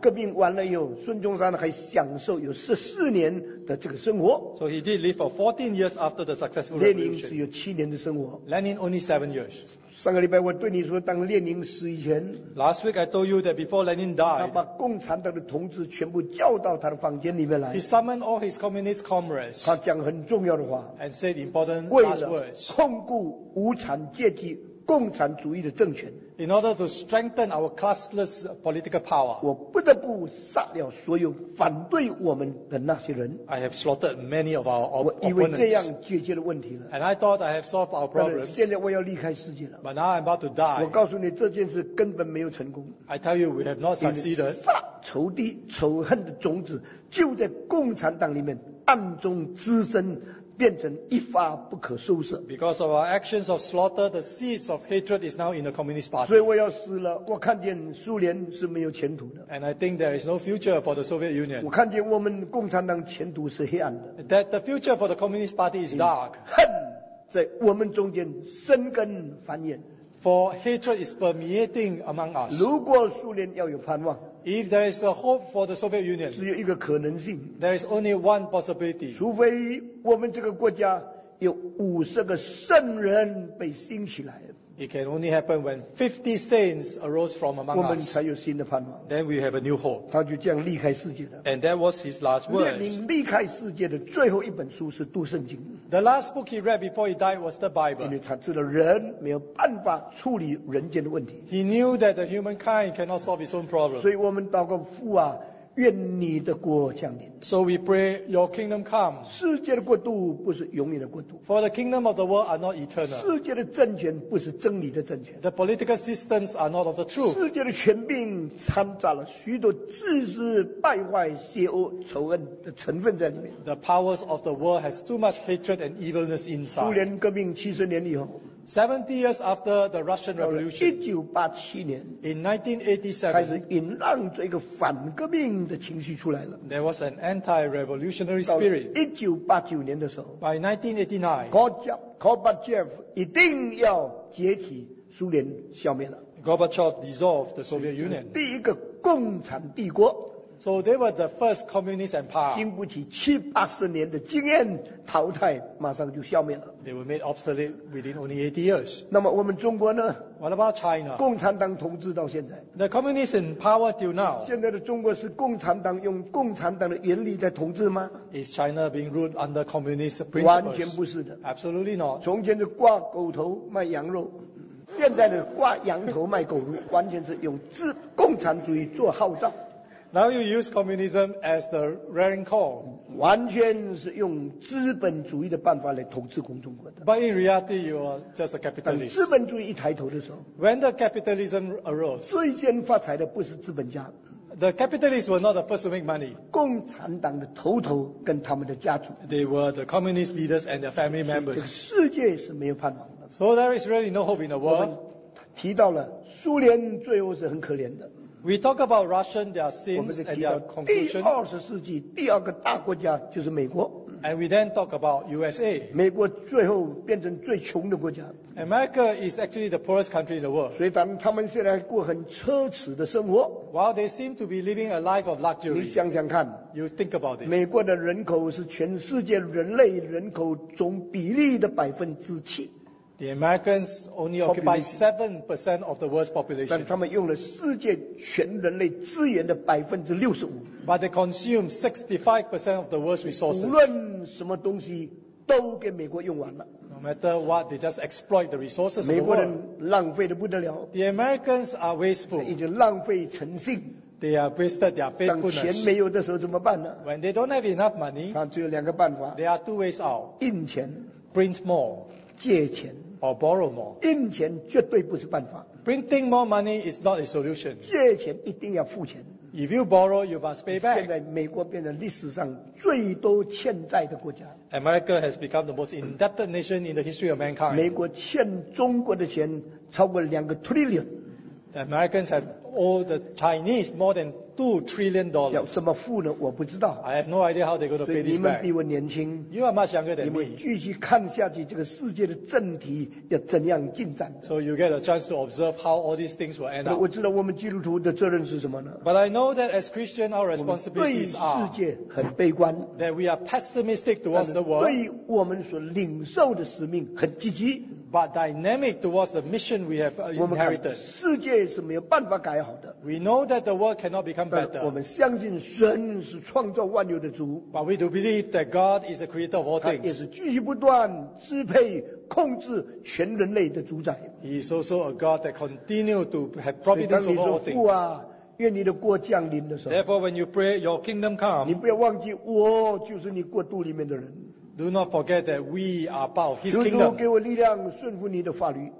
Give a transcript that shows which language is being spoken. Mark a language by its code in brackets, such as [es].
[zh] 革命完了以后，孙中山还享受有14年的这个生活。 [en] So he did live for 14 years after the successful revolution. [zh] 列宁只有7年的生活。 [en] Lenin only 7 years. [zh] 上个礼拜我对你说，当列宁死以前。 [en] Last week I told you that before Lenin died. [zh] 他把共产党的同志全部叫到他的房间里面来。 [en] He summoned all his communist comrades. [zh] 他讲很重要的话。 [en] And said important last words. [zh] 为了控股无产阶级共产主义的政权。 [en] In order to strengthen our classless political power. [zh] 我不得不杀掉所有反对我们的那些人。 [en] I have slaughtered many of our opponents. [zh] 我以为这样解决了问题了。 [en] And I thought I have solved our problems. [zh] 现在我要离开世界了。 [en] But now I'm about to die. [zh] 我告诉你这件事根本没有成功。 [en] I tell you we have not succeeded. [zh] 杀仇敌仇恨的种子就在共产党里面暗中滋生，变成一发不可收拾。 [en] Because of our actions of slaughter, the seeds of hatred is now in the Communist Party. [zh] 所以我要死了，我看见苏联是没有前途的。 [en] And I think there is no future for the Soviet Union. [zh] 我看见我们共产党前途是黑暗的。 [en] That the future for the Communist Party is dark. [zh] 恨在我们中间生根繁衍。 [en] For hatred is permeating among us. [zh] 如果苏联要有盼望。 [en] If there is a hope for the Soviet Union, [zh] 只有一个可能性。 [en] There is only one possibility. [zh] 除非我们这个国家有50个圣人被兴起来。 [en] It can only happen when 50 saints arose from among us. [zh] 我们才有新的盼望。 [en] Then we have a new hope. [zh] 他就这样离开世界了。 [en] And that was his last words. [zh] 列宁离开世界的最后一本书是读圣经。 [en] The last book he read before he died was the Bible. [zh] 因为他知道人没有办法处理人间的问题。 [en] He knew that the humankind cannot solve his own problem. [zh] 所以我们祷告父啊，愿你的国降临。 [en] So we pray your kingdom come. [zh] 世界的国度不是永远的国度。 [en] For the kingdom of the world are not eternal. [zh] 世界的政权不是真理的政权。 [en] The political systems are not of the truth. [zh] 世界的权柄掺杂了许多自私败坏邪恶仇恨的成分在里面。 [en] The powers of the world has too much hatred and evilness inside. [zh] 苏联革命七十年以后。 [en] 70 years after the Russian Revolution, [zh] 1987年 [en] in 1987, [zh] 开始引浪这个反革命的情绪出来了。 [en] There was an anti-revolutionary spirit. [zh] 1989年的时候 [en] by 1989, [zh] Gorbachev 一定要解体苏联消灭了。 [en] Gorbachev dissolved the Soviet Union. [zh] 第一个共产帝国。 [en] So they were the first communist empire. [zh] 经不起七八十年的经验淘汰，马上就消灭了。 [en] They were made obsolete within only 80 years. [zh] 那么我们中国呢？ [en] What about China? [zh] 共产党统治到现在。 [en] The communist in power till now. [zh] 现在的中国是共产党用共产党的原理在统治吗？ [en] Is China being ruled under communist principles? [zh] 完全不是的。 [en] Absolutely not. [zh] 从前是挂狗头卖羊肉。现在的挂羊头卖狗肉，完全是用自共产主义做号召。 [en] Now you use communism as the rallying call. [zh] 完全是用资本主义的办法来统治共中国的。 [en] But in reality, you are just a capitalist. [zh] 资本主义一抬头的时候 [en] ，When the capitalism arose, [zh] 最先发财的不是资本家。 [en] The capitalists were not the first to make money. [zh] 共产党的头头跟他们的家族。 [en] They were the communist leaders and their family members. [zh] 这个世界是没有盼望的。 [en] So there is really no hope in the world. [zh] 我们提到了苏联最后是很可怜的。 [en] We talk about Russian, their sins and their conclusion. [zh] 第二世纪第二个大国家就是美国。 [en] And we then talk about USA. [zh] 美国最后变成最穷的国家。 [en] America is actually the poorest country in the world. [zh] 所以他们现在过很奢侈的生活。 [en] While they seem to be living a life of luxury. [zh] 你想想看, [en] you think about this. [zh] 美国的人口是全世界人类人口总比例的7%。 [en] The Americans only occupy 7% of the world's population. [zh] 但他们用了世界全人类资源的65%。 [en] But they consume 65% of the world's resources. [zh] 无论什么东西都给美国用完了。 [en] No matter what, they just exploit the resources. [zh] 美国人浪费得不得了。 [en] The Americans are wasteful. [zh] 已经浪费诚信。 [en] They are wasted their faithfulness. [zh] 当钱没有的时候怎么办呢？ [en] When they don't have enough money, [zh] 只有两个办法。 [en] There are two ways out. [zh] 印钱。 [en] Print more. [zh] 借钱。 [en] Or borrow more. [zh] 印钱绝对不是办法。 [en] Printing more money is not a solution. [zh] 借钱一定要付钱。 [en] If you borrow, you must pay back. [zh] 现在美国变成历史上最多欠债的国家。 [en] America has become the most indebted nation in the history of mankind. [zh] 美国欠中国的钱超过2 trillion. [en] The Americans have owed the Chinese more than $2 trillion. [zh] 要怎么付呢?我不知道。 [en] I have no idea how they're going to pay this back. [zh] 所以你们比我年轻。 [en] You are much younger than me. [zh] 你们继续看下去这个世界的政体要怎样进展。 [en] So you get a chance to observe how all these things will end up. [zh] 我知道我们基督徒的责任是什么呢? [en] But I know that as Christian, our responsibilities are [zh] 我们对世界很悲观。 [en] That we are pessimistic towards the world. [zh] 对我们所领受的使命很积极。 [en] But dynamic towards the mission we have inherited. [zh] 我们看世界是没有办法改好的。 [en] We know that the world cannot become better. [zh] 我们相信神是创造万有的主。 [en] But we do believe that God is the creator of all things. [zh] 他也是继续不断支配控制全人类的主宰。 [en] He is also a God that continues to have providence over all things. [zh] 愿你的国降临的时候, [en] Therefore, when you pray, your kingdom come. [zh] 你不要忘记我就是你国度里面的人。 [en] Do not forget that we are part of His kingdom. [zh] 求主给我力量顺服你的法律。